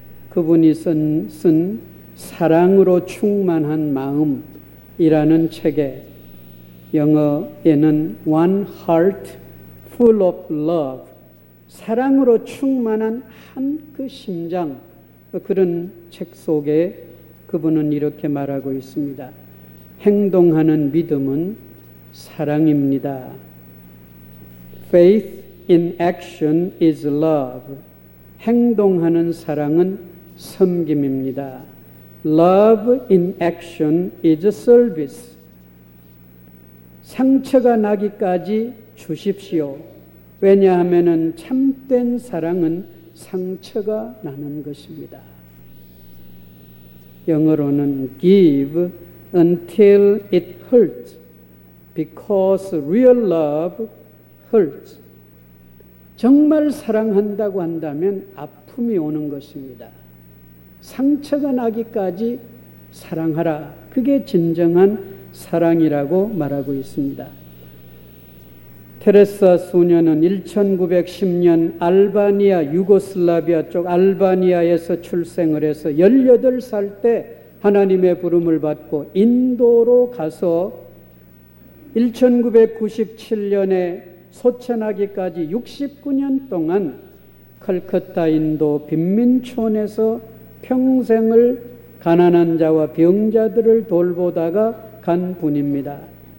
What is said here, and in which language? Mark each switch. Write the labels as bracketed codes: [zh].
[ko] 그분이 쓴 사랑으로 충만한 마음이라는 책에, 영어에는 [en] One Heart Full of Love, [ko] 사랑으로 충만한 한 그 심장, 그런 책 속에 그분은 이렇게 말하고 있습니다. 행동하는 믿음은 사랑입니다. [en] Faith in action is love. [ko] 행동하는 사랑은 섬김입니다. [en] Love in action is service. [ko] 상처가 나기까지 주십시오. 왜냐하면 참된 사랑은 상처가 나는 것입니다. [en] 영어로는 give until it hurts, because real love hurts. [ko] 정말 사랑한다고 한다면 아픔이 오는 것입니다. 상처가 나기까지 사랑하라. 그게 진정한 사랑이라고 말하고 있습니다. 테레사 소녀는 1910년 알바니아 유고슬라비아 쪽 알바니아에서 출생을 해서 18살 때 하나님의 부름을 받고 인도로 가서 1997년에 소천하기까지 69년 동안 컬커타 인도 빈민촌에서 평생을 가난한 자와 병자들을 돌보다가 간 분입니다.